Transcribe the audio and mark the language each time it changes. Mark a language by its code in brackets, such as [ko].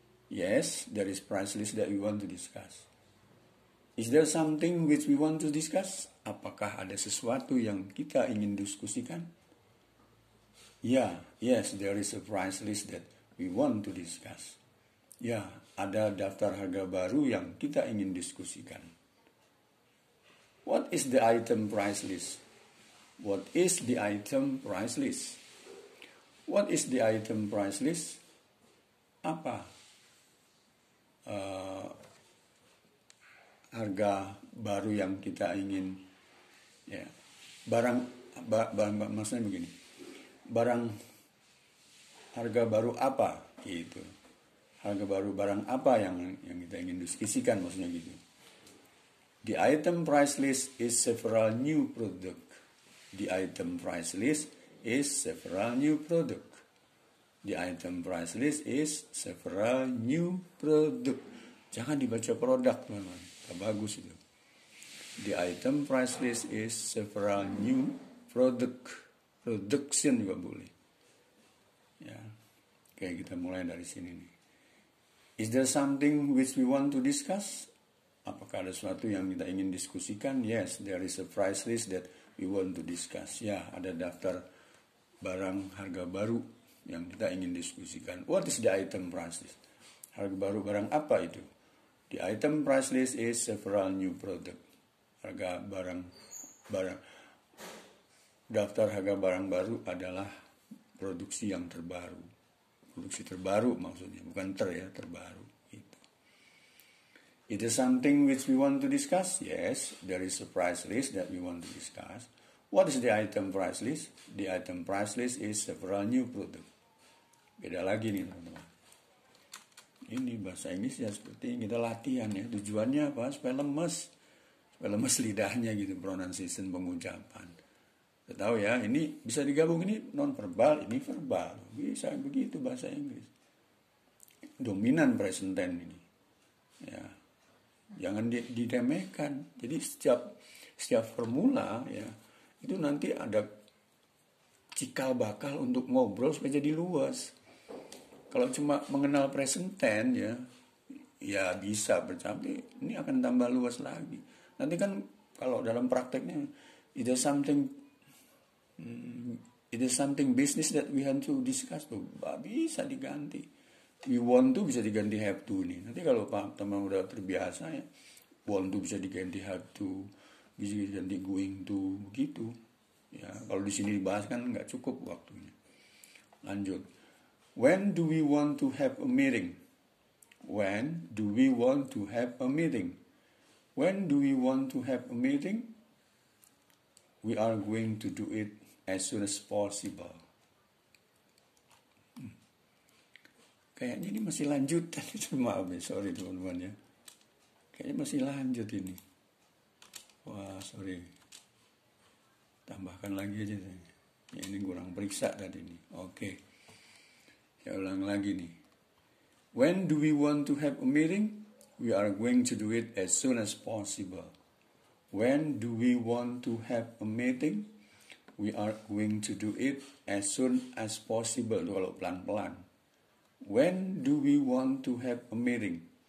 [en] Yes, there is price list that we want to discuss. Is there something which we want to discuss? [id] Apakah ada sesuatu yang kita ingin diskusikan? [en] Yeah, yes, there is a price list that we want to discuss. [id] Ya, ada daftar harga baru yang kita ingin diskusikan. [en] What is the item price list? What is the item price list? What is the item price list? [id] Apa harga baru yang kita ingin? Ya, barang maksudnya begini. Barang harga baru apa gitu? Harga baru barang apa yang kita ingin diskusikan maksudnya gitu. [en] The item price list is several new product. The item price list is several new product. The item price list is several new product. [id] Jangan dibaca produk, teman-teman. Tak bagus itu. [en] The item price list is several new product. [id] Production juga boleh. Ya. Oke, kita mulai dari sini nih. [en] Is there something which we want to discuss? [id] Apakah ada sesuatu yang kita ingin diskusikan? [en] Yes, there is a price list that we want to discuss. [id] Ya, ada daftar barang harga baru yang kita ingin diskusikan. [en] What is the item price list? [id] Harga baru barang apa itu? [en] The item price list is several new product. [id] Harga barang barang daftar harga barang baru adalah produksi yang terbaru. Produksi terbaru maksudnya, bukan ter ya, terbaru. Gitu. [en] Is there something which we want to discuss? Yes, there is a price list that we want to discuss. What is the item price list? The item price list is several new product. [id] Beda lagi nih teman-teman. Ini bahasa Inggris ya seperti ini, kita latihan ya. Tujuannya apa? Supaya lemes lidahnya gitu, pronunciation, pengucapan. Kita tahu ya, ini bisa digabung, ini non-verbal, ini verbal. Bisa begitu bahasa Inggris. Dominan present tense ini. Ya. Jangan diremehkan. Jadi setiap formula ya, itu nanti ada cikal bakal untuk ngobrol supaya jadi luas. Kalau cuma mengenal present tense ya, ya bisa bercampur. Ini akan tambah luas lagi. Nanti kan kalau dalam prakteknya, [en] it is something... It is something business that we have to discuss. [id] Bisa diganti. We want to bisa diganti have to nih. Nanti kalau teman-teman udah terbiasa ya, want to bisa diganti have to, bisa diganti going to, begitu. Ya, kalau di sini dibahas kan nggak cukup waktunya. Lanjut. [en] When do we want to have a meeting? When do we want to have a meeting? When do we want to have a meeting? We are going to do it as soon as possible. [id] Kayaknya ini masih lanjutan. Maaf ya, sorry teman-teman ya. Kayaknya masih lanjut ini. Wah, sorry. Tambahkan lagi aja. Ya, ini kurang periksa tadi ini. Oke. Okay. Saya ulang lagi nih. [en] When do we want to have a meeting? We are going to do it as soon as possible. When do we want to have a meeting? We are going to do it as soon as possible. [id] Kalau pelan-pelan. [en] When do we want to have a meeting?